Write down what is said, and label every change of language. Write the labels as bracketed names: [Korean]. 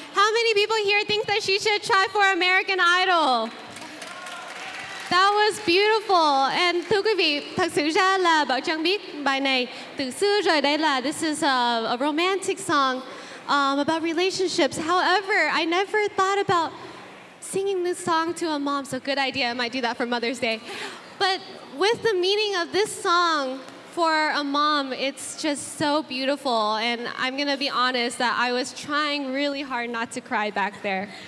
[English] How many people here think that she should try for American Idol? That was beautiful. [Vietnamese] And thưa quý vị, thật sự ra là Bảo Trang biết bài này từ xưa rồi đây là [English] this is a romantic song about relationships. However, I never thought about singing this song to a mom. So good idea. I might do that for Mother's Day. But with the meaning of this song, for a mom, it's just so beautiful, and I'm gonna be honest that I was trying really hard not to cry back there.